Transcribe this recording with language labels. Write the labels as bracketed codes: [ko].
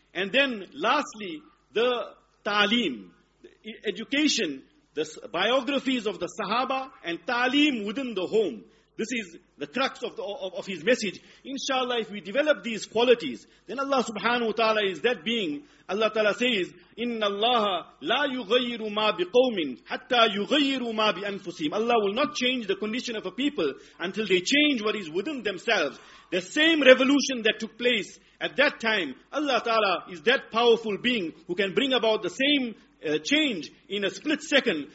[en] And then lastly, the ta'lim, education, the biographies of the sahaba, and ta'lim within the home. This is the crux of his message. Inshallah, if we develop these qualities, then Allah subhanahu wa ta'ala is that being. Allah ta'ala says, [ar] إِنَّ اللَّهَ لَا يُغَيِّرُ مَا بِقَوْمٍ حَتَّى يُغَيِّرُ مَا بِأَنفُسِهِمْ. [en] Allah will not change the condition of a people until they change what is within themselves. The same revolution that took place at that time, Allah ta'ala is that powerful being who can bring about the same change in a split second.